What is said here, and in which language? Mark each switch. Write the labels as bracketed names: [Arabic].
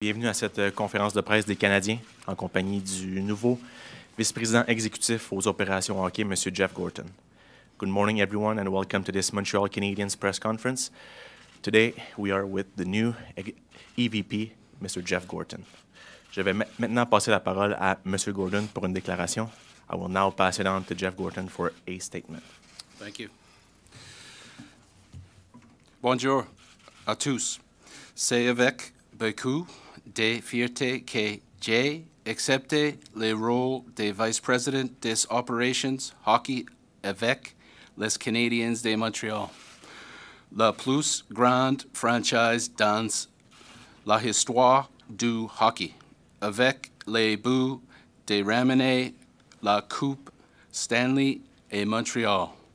[French] Bienvenue à cette conférence de presse des Canadiens en compagnie du nouveau vice-président exécutif aux opérations hockey, M. [English] Jeff Gorton. Good morning, everyone, and welcome to this Montreal Canadiens press conference. Today, we are with the new EVP, Mr. Jeff Gorton. [French] Je vais maintenant passer la parole à M. [English] Gorton [French] pour une déclaration. [English] I will now pass it on to Jeff Gorton for a statement. Thank you. [French] Bonjour à tous. C'est avec beaucoup de fierté que j'ai accepté le rôle de vice-président des opérations hockey avec les Canadiens de Montréal, la plus grande franchise dans la histoire du hockey, avec le but de ramener la Coupe Stanley à Montréal.